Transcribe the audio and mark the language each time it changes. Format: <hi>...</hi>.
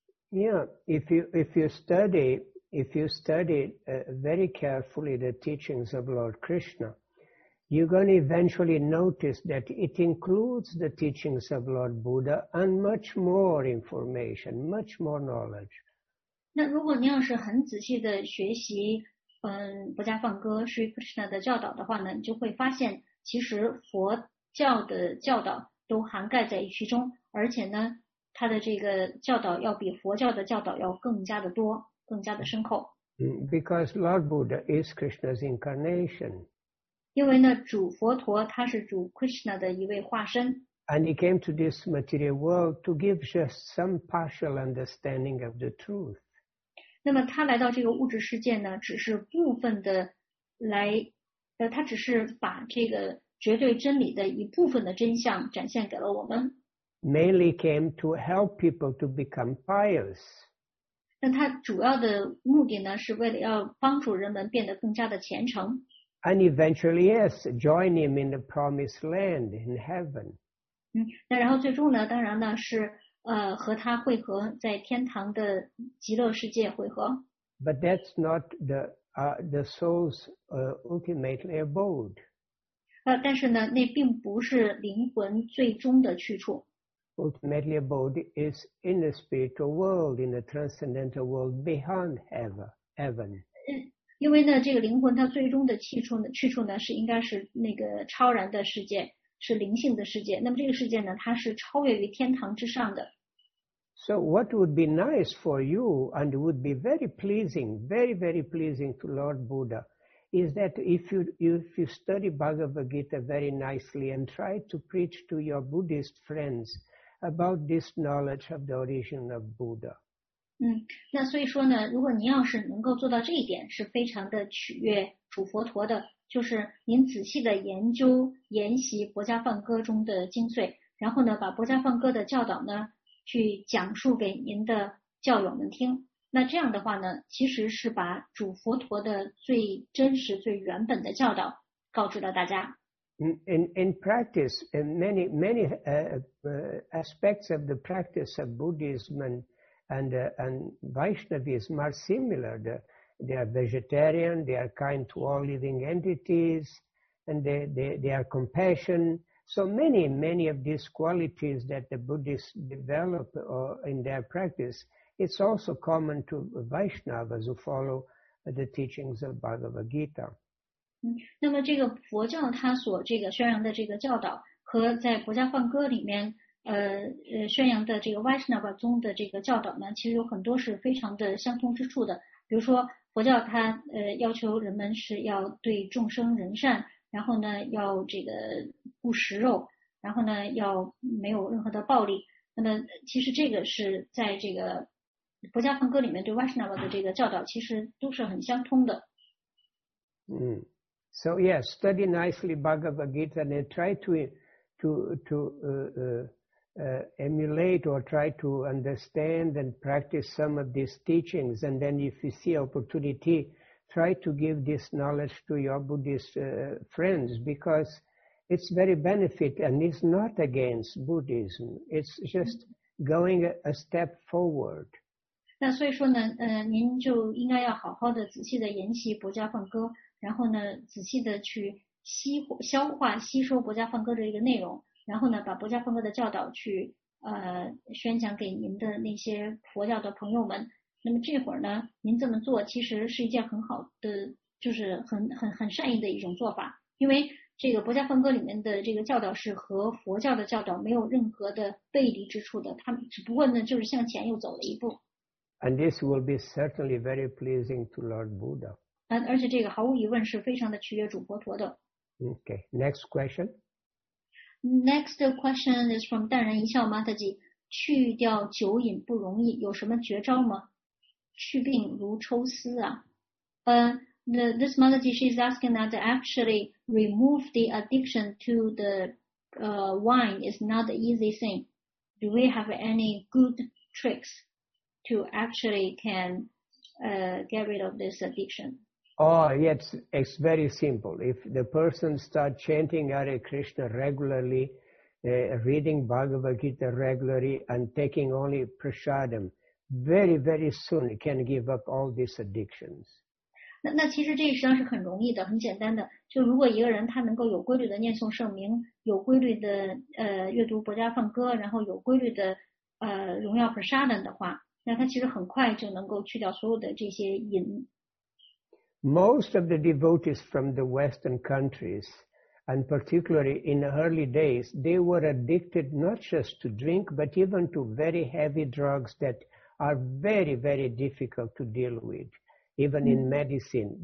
<en>Yeah, if you study very carefully the teachings of Lord Krishna, you're going to eventually notice that it includes the teachings of Lord Buddha and much more information, much more knowledge.</en> <zh>那如果您要是很仔细的学习不加放歌 Sri Krishna 的教导的话呢，你就会发现其实佛教的教导都涵盖在其中，而且呢它的这个教导要比佛教的教导要更加的多，更加的深厚。</zh> <en>Because Lord Buddha is Krishna's incarnation.</en> <zh>因为呢主佛陀他是主 Krishna 的一位化身。</zh> <en>And he came to this material world to give just some partial understanding of the truth.</en> <zh>那么他来到这个物质世界呢，只是部分的来，他只是把这个绝对真理的一部分的真相展现给了我们。</zh> <en>Mainly came to help people to become pious.</en> <zh>那他主要的目的呢，是为了要帮助人们变得更加的虔诚。</zh> <en>And eventually, yes, join him in the promised land in heaven.</en> <zh>那然后最终呢，当然呢是。和他会合在天堂的极乐世界会合。</zh> <en>But that's not the soul's ultimately abode.</en> <zh>但是呢，那并不是灵魂最终的去处。</zh> <en>Ultimately abode is in the spiritual world, in the transcendental world beyond heaven.</en> <zh>因为呢，这个灵魂它最终的去处呢，是应该是那个超然的世界。是灵性的世界，那么这个世界呢，它是超越于天堂之上的。</zh> <en>So what would be nice for you and would be very pleasing, very very pleasing to Lord Buddha, is that if you study Bhagavad Gita very nicely and try to preach to your Buddhist friends about this knowledge of the origin of Buddha.</en> <zh>那所以说呢，如果您要是能够做到这一点，是非常的取悦主佛陀的。就是您仔细的研究研习《薄伽梵歌》中的精髓，然后呢，把《薄伽梵歌》的教导呢，去讲述给您的教友们听。那这样的话呢，其实是把主佛陀的最真实、最原本的教导告知了大家。</zh> <en>In practice, in many aspects of the practice of Buddhism and Vaishnavism are similar. They are vegetarian, they are kind to all living entities, and they are compassion. So many, many of these qualities that the Buddhists develop in their practice, it's also common to Vaishnavas who follow the teachings of Bhagavad Gita.</en> <zh>那么这个佛教它所这个宣扬的这个教导和在《薄伽梵歌》里面宣扬的这个 Vaishnava 宗的这个教导呢，其实有很多是非常的相通之处的，比如说。佛教它要求人们是要对众生仁善，然后呢要这个不食肉，然后呢要没有任何的暴力。那么其实这个是在这个《薄伽梵歌》里面对 Vaishnava 的这个教导，其实都是很相通的。</zh> <en>So yes, study nicely Bhagavad Gita and try to emulate or try to understand and practice some of these teachings, and then if you see opportunity, try to give this knowledge to your Buddhist friends, because it's very benefit and it's not against Buddhism. It's just going a step forward.</en> <zh>那所以说呢，您就应该要好好的、仔细的研习《薄伽梵歌》，然后呢，仔细的去消化、吸收《薄伽梵歌》的一个内容。然后呢，把薄伽梵歌的教导去宣讲给您的那些佛教的朋友们，那么这会儿呢，您这么做其实是一件很好的，就是很善意的一种做法，因为这个《博伽梵歌》里面的这个教导是和佛教的教导没有任何的背离之处的，他们只不过呢就是向前又走了一步。</zh> <en>And this will be certainly very pleasing to Lord Buddha.</en> <zh>而且这个毫无疑问是非常的取悦主佛陀的。</zh> <en>Okay, next question. Next question is from 淡然一笑 Mataji.</en> <zh>去掉酒瘾不容易，有什么绝招吗？去病如抽丝啊。</zh> <en>This Mataji, she is asking that actually remove the addiction to the wine is not an easy thing. Do we have any good tricks to actually can get rid of this addiction? Oh, yes, it's very simple. If the person starts chanting Hare Krishna regularly, reading Bhagavad Gita regularly, and taking only prasadam, very, very soon he can give up all these addictions.</en> <zh>那其实这实际上是很容易的，很简单的。就如果一个人他能够有规律的念诵圣名，有规律的阅读《博伽梵歌》，然后有规律的荣耀 prasadam 的话，那他其实很快就能够去掉所有的这些瘾。</zh> <en>Most of the devotees from the Western countries, and particularly in the early days, they were addicted not just to drink, but even to very heavy drugs that are very, very difficult to deal with, even in medicine.</en>